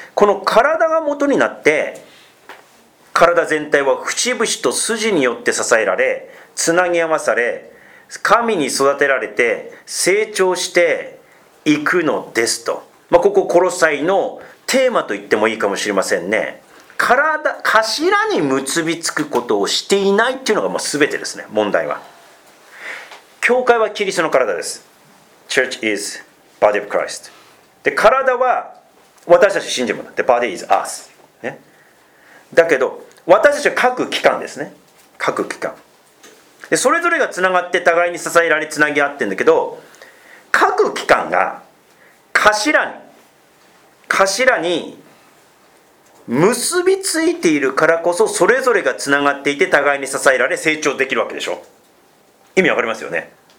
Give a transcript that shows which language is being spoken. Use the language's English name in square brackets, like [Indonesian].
[Japanese] この体が元になって、体全体は節々と筋によって支えられ、つなぎ合わされ、神に育てられて成長していくのですと、まあ、ここコロサイのテーマと言ってもいいかもしれませんね。頭に結びつくことをしていないっていうのがもう全てですね、問題は。教会はキリストの体です。 [English] Church is body of Christ。 [Japanese] で体は私たち信じるもの、 [English] The body is us、 [Japanese] ね、だけど私たちは各機関ですね、各機関で、それぞれがつながって互いに支えられつなぎ合ってるんだけど、各機関が頭に結びついているからこそ、それぞれがつながっていて互いに支えられ成長できるわけでしょ。意味わかりますよね。